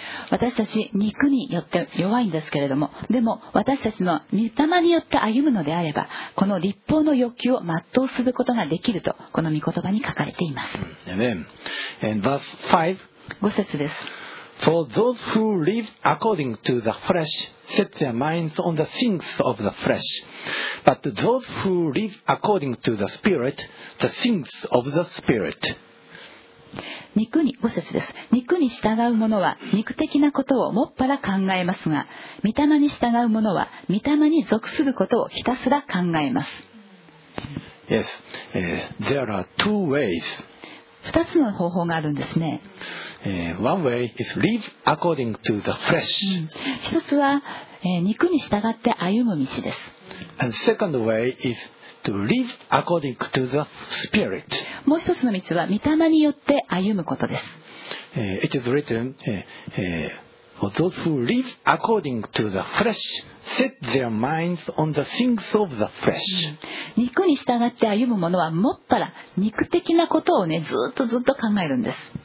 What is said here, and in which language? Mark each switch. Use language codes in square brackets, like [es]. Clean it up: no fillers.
[ja] 私たち肉によって弱いんですけれども、でも私たちの御霊によって歩むのであれば、この立法の欲求を全うすることができると、この御言葉に書かれています。 [en] Amen. And verse 5. [ja] 五節です。 [en] For those who live according to the flesh set their minds on the things of the flesh, but those who live according to the spirit, the things of the spirit. [ja] 肉に、5節です。肉に従う者は肉的なことをもっぱら考えますが、御霊に従う者は御霊に属することをひたすら考えます。 [en] Yes, there are two ways. [ja] 2つの方法があるんですね。 [en] One way is live according to the flesh. [ja] 一つは、肉に従って歩む道です。 [en] And second way isTo live according to the spirit. [ja] もう一つの道は御霊によって歩むことです。 [en] It is written, for those who live according to the flesh, set their minds on the things of the flesh. [ja] 肉に従って歩む者はもっぱら肉的なことをね、ずっとずっと考えるんです。